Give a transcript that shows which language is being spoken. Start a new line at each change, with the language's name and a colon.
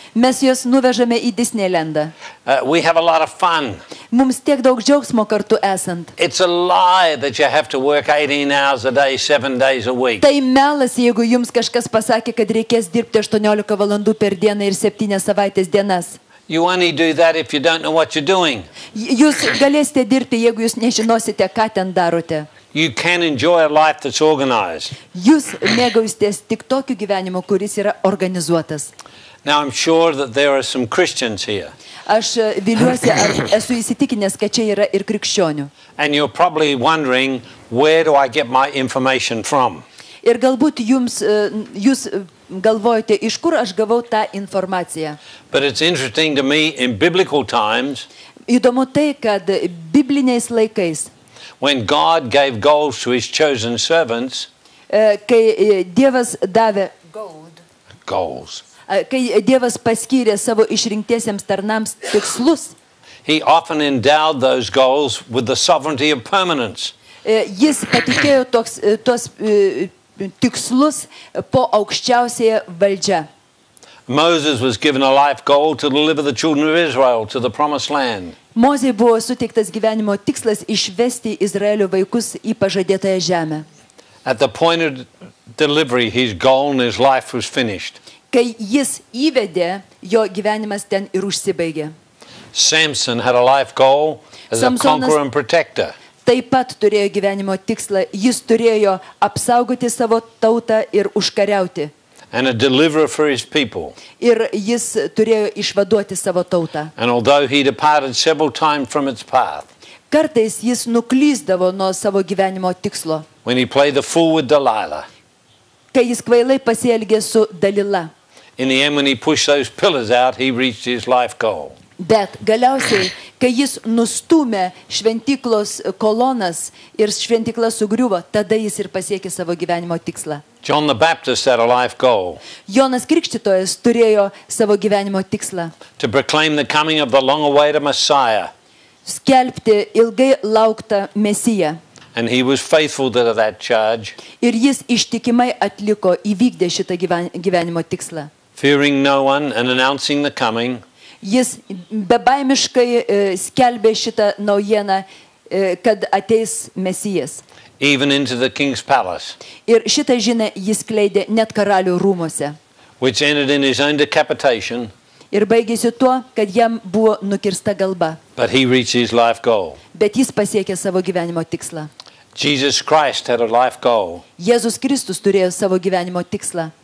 Lithuanian: Mes juos nuvežame į Disneylandą.
English: We have a lot of fun.
Lithuanian: Mums tiek daug džiaugsmo kartu esant.
English: It's a lie that you have to work 18 hours a day, 7 days a week.
Lithuanian: Tai melas, jeigu jums kažkas pasakė, kad reikės dirbti 18 valandų per dieną ir 7 savaitės dienas.
English: You only do that if you don't know what you're doing.
Lithuanian: Jūs galėsite dirbti, jeigu jūs nežinosite, ką ten darote.
English: You can enjoy a life that's organized.
Lithuanian: Jūs mėgausitės tik tokiu gyvenimu, kuris yra organizuotas.
English: Now I'm sure that there are some Christians here.
Lithuanian: Aš viliuosi, esu įsitikinęs, kad čia yra ir krikščionių.
English: And you're probably wondering, where do I get my information from?
Lithuanian: Ir galbūt jūs galvojate, iš kur aš gavau tą informaciją?
English: But it's interesting to me in biblical times.
Lithuanian: Įdomu tai, kad bibliniais laikais.
English: When God gave gold to his chosen servants.
Lithuanian: Kai Dievas davė
English: gold. Goals.
Lithuanian: Kai Dievas paskyrė savo išrinktiesiems tarnams tikslus.
English: He often endowed those goals with the sovereignty of permanence.
Lithuanian: Jis patikėjo tuos tikslus po aukščiausiąją valdžią.
English: Moses was given a life goal to deliver the children of Israel to the promised land.
Lithuanian: Mozei buvo suteiktas gyvenimo tikslas išvesti Izraelio vaikus į pažadėtąją žemę.
English: At the point of delivery, his goal and his life was finished.
Lithuanian: Kai jis įvedė, jo gyvenimas ten ir užsibaigė.
English: Samson had a life goal as a conqueror and protector.
Lithuanian: Taip pat turėjo gyvenimo tikslą, jis turėjo apsaugoti savo tautą ir užkariauti.
English: And a deliverer for his people.
Lithuanian: Ir jis turėjo išvaduoti savo tautą.
English: And although he departed several times from its path.
Lithuanian: Kartais jis nuklysdavo nuo savo gyvenimo tikslo.
English: When he played the fool with Delilah.
Lithuanian: Kai jis kvailai pasielgė su Dalila.
English: In the end, when he pushed those pillars out, he reached his life goal.
Lithuanian: Bet galiausiai, kai jis nustūmė šventyklos kolonas ir šventykla sugriuvo, tada jis ir pasiekė savo gyvenimo tikslą.
English: John the Baptist had a life goal.
Lithuanian: Jonas Krikštytojas turėjo savo gyvenimo tikslą.
English: To proclaim the coming of the long-awaited Messiah.
Lithuanian: Skelbti ilgai lauktą Mesiją.
English: And he was faithful to that charge.
Lithuanian: Ir jis ištikimai atliko, įvykdė šitą gyvenimo tikslą.
English: Fearing no one and announcing the coming.
Lithuanian: Jis bebaimiškai skelbė šitą naujieną, kad ateis Mesijas.
English: Even into the king's palace.
Lithuanian: Ir šitą žinę jis kleidė net karalių rūmose.
English: Which ended in his own decapitation.
Lithuanian: Ir baigėsi tuo, kad jam buvo nukirsta galba.
English: But he reached his life goal.
Lithuanian: Bet jis pasiekė savo gyvenimo tikslą.
English: Jesus Christ had a life goal.
Lithuanian: Jėzus Kristus turėjo savo gyvenimo tikslą.